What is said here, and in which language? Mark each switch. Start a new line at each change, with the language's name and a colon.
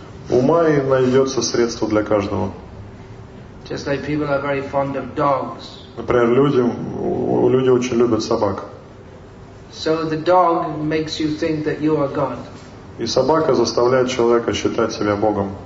Russian: У Майи найдется средство для каждого.
English: Just like people are very fond of dogs.
Russian: Например, люди очень любят собак.
English: So the dog makes you think that you are God.
Russian: И собака заставляет человека считать себя Богом.